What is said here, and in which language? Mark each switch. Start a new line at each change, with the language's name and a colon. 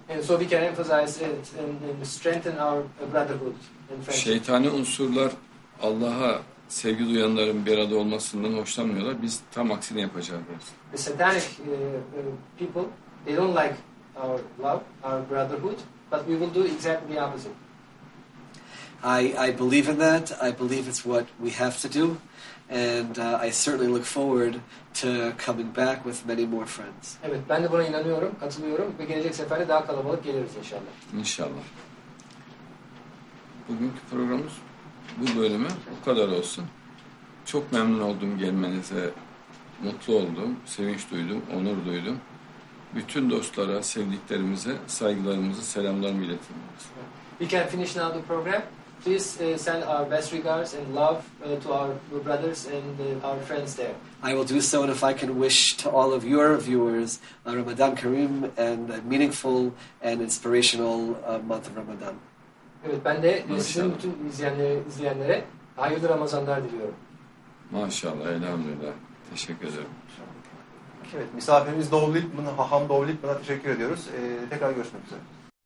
English: And so we can emphasize it and strengthen our brotherhood and friendship.
Turkish: Şeytani unsurlar Allah'a sevgi duyanların bir arada olmasından hoşlanmıyorlar. Biz tam aksini yapacağız dersin.
English: The satanic people, they don't like our love, our brotherhood, but we will do exactly the opposite. I believe in that. I believe it's what we have to do. And I certainly look forward to coming back with many more friends.
Turkish: Evet, ben de buna inanıyorum, katılıyorum ve gelecek sefere daha kalabalık geliriz inşallah. İnşallah. Bugünkü programımız bu bölümü bu kadar olsun. Çok memnun oldum gelmenize. Mutlu oldum, sevinç duydum, onur duydum. Bütün dostlara, sevdiklerimize saygılarımızı, selamlarımı iletelim.
English: We can finish now the program. Please send our best regards and love to our brothers and our friends there. I will do so, and if I can wish to all of your viewers a Ramadan Kareem and a meaningful and inspirational month of Ramadan.
Turkish: Evet, ben de sizin bütün izleyenlere hayırlı Ramazanlar diliyorum. Maşallah, elhamdülillah. Teşekkür ederim. Evet, misafirimiz Doğulik, haham Doğulik, buna teşekkür ediyoruz. Tekrar görüşmek üzere.